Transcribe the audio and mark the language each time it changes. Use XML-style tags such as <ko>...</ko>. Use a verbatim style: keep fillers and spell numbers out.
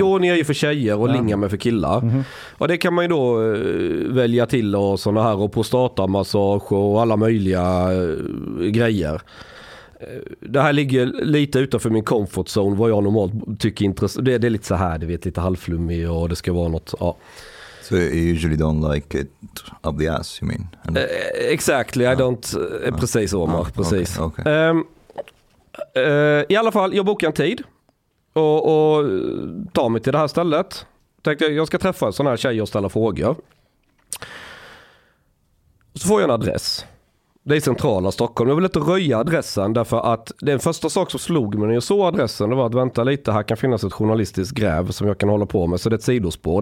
<sv>Yoni är ju för tjejer och</sv> <en>yeah.</en> <sv>lingam är för killar. Mm-hmm. Och det kan man ju då välja till och såna här. Och prostatamassage och alla möjliga grejer. Det här ligger lite utanför min comfort zone, vad jag normalt tycker är intressant. Det, det är lite så här, du vet, lite halvflummig och det ska vara något, ja.</sv> <en>So you usually don't like it up the ass, you mean? And... Uh, exactly, I don't... Uh, uh,</en> <sv>precis,</sv> <en>Omar, uh, precis. Okay, okay.</en> <sv>Um, uh, I alla fall, jag bokar en tid och, och tar mig till det här stället. Tänkte jag, jag ska träffa en sån här tjej och ställa frågor. Så får jag en adress. Det är centrala Stockholm. Jag vill inte röja adressen därför att den första sak som slog mig när jag såg adressen, det var att vänta lite, här kan finnas ett journalistiskt gräv som jag kan hålla på med, så det är ett sidospår.</sv>